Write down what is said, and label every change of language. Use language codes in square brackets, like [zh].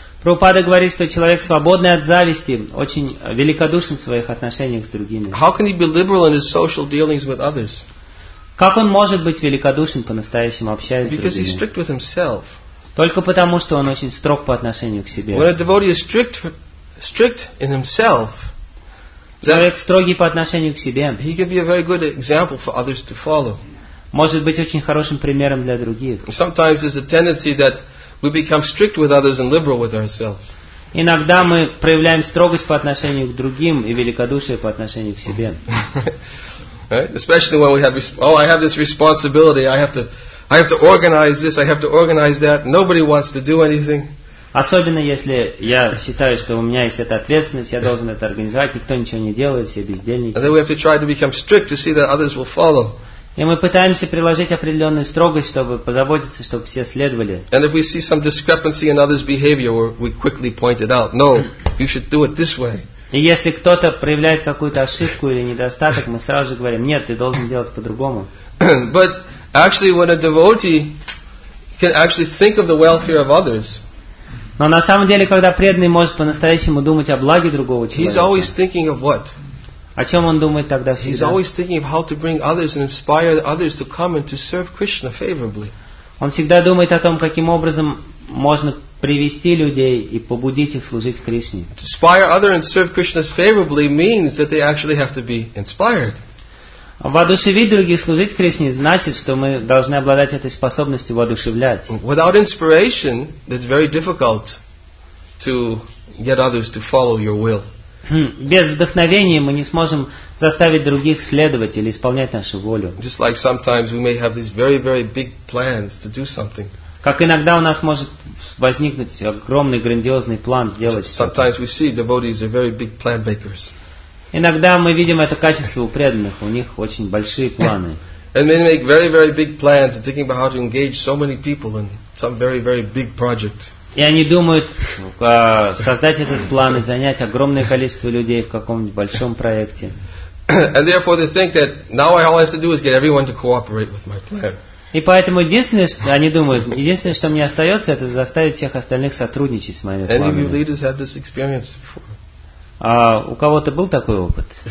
[ru] Прабхупада говорит, что человек свободный от зависти очень великодушен в своих отношениях с другими. [en] How can he be liberal in his social dealings with others? [ru] Как он может быть великодушен по-настоящему, общаясь с другими? [en] Because he's strict with himself. [ru] Только потому, что он очень строг по отношению к себе. [en] When a devotee is strict in himself, [ru] человек строгий по отношению к себе, [en] he can be a very good example for others to follow. [ru] Может быть очень хорошим примером для других. [en] Sometimes there's a tendency that we become strict with others and liberal with ourselves. [ru] Иногда мы проявляем строгость по отношению к другим и великодушие по отношению к себе. [en] Right? Especially when we have I have this responsibility, I have to organize this, I have to organize that. Nobody wants to do anything. [ru] Особенно если я считаю, что у меня есть эта ответственность, я должен это организовать, никто ничего не делает, все бездельники. И мы пытаемся приложить определенную строгость, чтобы позаботиться, чтобы все следовали. [en] And if we see some discrepancy in others' behavior, we quickly point it out. No, you should do it this way. [ru] И если кто-то проявляет какую-то ошибку или недостаток, мы сразу же говорим, нет, ты должен делать по-другому. [en] But actually, when a devotee can actually think of the welfare of others, [ru] но на самом деле, когда преданный может по-настоящему думать о благе другого человека, о чем он думает тогда всегда? [en] He's always thinking of how to bring others and inspire others to come and to serve Krishna favorably. [ru] Он всегда думает о том, каким образом можно привести людей и побудить их служить Кришне. [en] To inspire others and serve Krishna favorably means that they actually have to be inspired. [ru] Воодушевить других служить Кришне значит, что мы должны обладать этой способностью воодушевлять. [en] Without inspiration, it's very difficult to get others to follow your will. [ru] Без вдохновения мы не сможем заставить других следовать или исполнять нашу волю. [en] Just like sometimes we may have these very, very big plans to do something. [ru] Как иногда у нас может возникнуть огромный, грандиозный план сделать [en] Sometimes we see devotees are very big plan makers. [ru] Иногда мы видим это качество у преданных, у них очень большие планы. [en] And they make very, very big plans and thinking about how to engage so many people in some very, very big project. [ru] И они думают создать этот план и занять огромное количество людей в каком-нибудь большом проекте. [en] And therefore they think that now all I have to do is get everyone to cooperate with my plan. [ru] И поэтому единственное, что они думают, единственное, что мне остается, это заставить всех остальных сотрудничать с моими планами. А у кого-то был такой опыт?